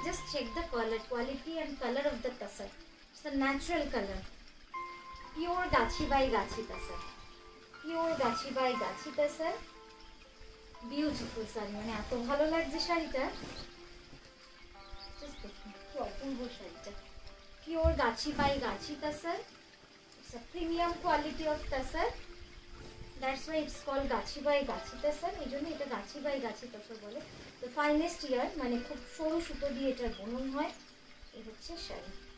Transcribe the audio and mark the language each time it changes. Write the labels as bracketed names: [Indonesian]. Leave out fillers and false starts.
[English] Just check the colour quality and colour of the Tassar. It's natural colour, pure Gachi Bai Gachi Tassar, pure Gachi Bai Gachi Tassar. [Bangla] Beautiful sari, মানে এত ভালো লাগছে শাড়িটা, just দেখুন অপূর্ব শাড়িটা। [English] Pure Gachi Bai Gachi Tassar, it's premium quality of Tassar. That's why it's called Gachi Bai Gachi Tassar. [Bangla] এই জন্য এটা গাছি বাই গাছি তসর বলে। [English] the finest yarn, [Bangla] মানে খুব সরু সুতো দিয়ে এটার বুনন হয়। হচ্ছে শাড়ি।